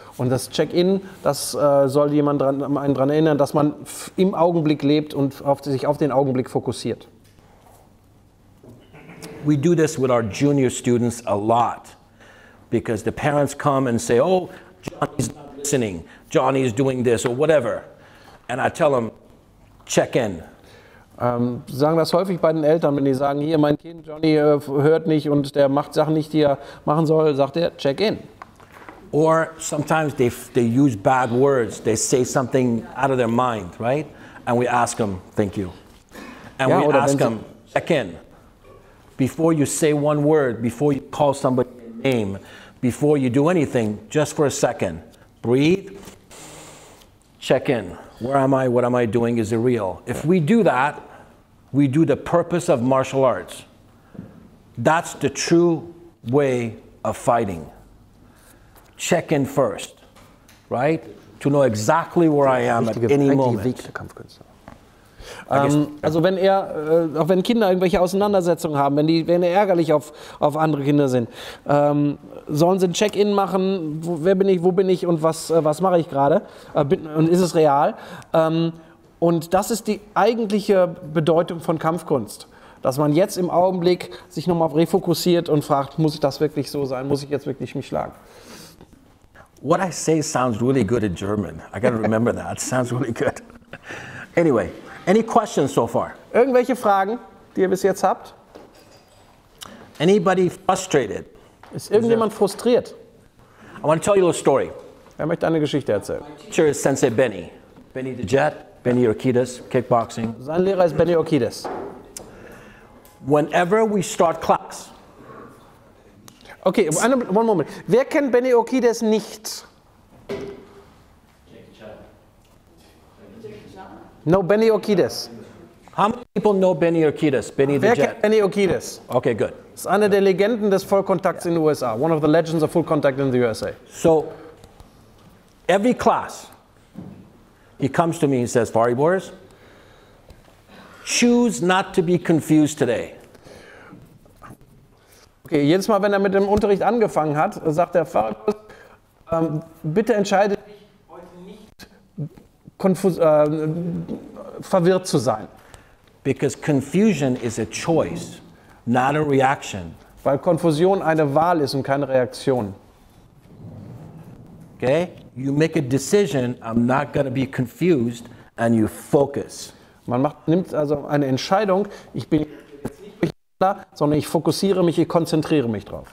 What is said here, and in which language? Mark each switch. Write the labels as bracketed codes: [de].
[de] Und das Check-in, das soll jemand dran erinnern, dass man im Augenblick lebt und sich auf den Augenblick fokussiert. [en] We do this with our junior students a lot. Because the parents come and say, oh, Johnny's not listening. Johnny's doing this or whatever. And I tell them, check in. [de] Sagen das häufig bei den Eltern, wenn die sagen, hier, mein Kind, Johnny hört nicht und der macht Sachen nicht, die er machen soll, sagt er, check in. [en] Or sometimes they use bad words. They say something out of their mind, right? And we ask them, thank you. And [de] ja, [en] we ask them, check in. Before you say one word, before you call somebody a name, before you do anything, just for a second, breathe, check in. Where am I? What am I doing? Is it real? If we do that, we do the purpose of martial arts. That's the true way of fighting. Check in first, right? To know exactly where I am at any moment. [de] Also wenn er, auch wenn Kinder irgendwelche Auseinandersetzungen haben, wenn er ärgerlich auf andere Kinder sind, sollen sie ein Check-in machen, wer bin ich, wo bin ich und was mache ich gerade und ist es real? Und das ist die eigentliche Bedeutung von Kampfkunst, dass man jetzt im Augenblick sich nochmal refokussiert und fragt, muss ich das wirklich so sein, muss ich jetzt wirklich mich schlagen? [en] What I say sounds really good in German. I gotta remember that. It sounds really good. Anyway. Any questions so far? [de] Irgendwelche Fragen, die ihr bis jetzt habt? [en] Anybody frustrated? [de] Ist irgendjemand frustriert? [en] I want to tell you a story. [de] Wer möchte eine Geschichte erzählen? [en] My teacher is Sensei Benny. Benny the Jet, Benny Okidas, kickboxing. [de] Sein Lehrer ist Benny Okidas. [en] Whenever we start class. Okay, one moment. [de] Wer kennt Benny Okidas nicht? [en] No, Benny Okidas. How many people know Benny Okidas? Benny the [de] Wer [en] Jet. Benny Okidas. Okay, good. [de] Es ist einer der Legenden des Vollkontakts in den USA. [en] One of the legends of full contact in the USA. So, every class, he comes to me and says, Fari Boris, choose not to be confused today. [de] Okay, jedes Mal, wenn mit dem Unterricht angefangen hat, sagt der Fari Boris, bitte entscheide verwirrt zu sein. [en] Because confusion is a choice, not a reaction. [de] Weil Konfusion eine Wahl ist und keine Reaktion. [en] Okay? You make a decision, I'm not going to be confused, and you focus. [de] Man macht, nimmt also eine Entscheidung, ich bin nicht klar, sondern ich fokussiere mich, ich konzentriere mich drauf.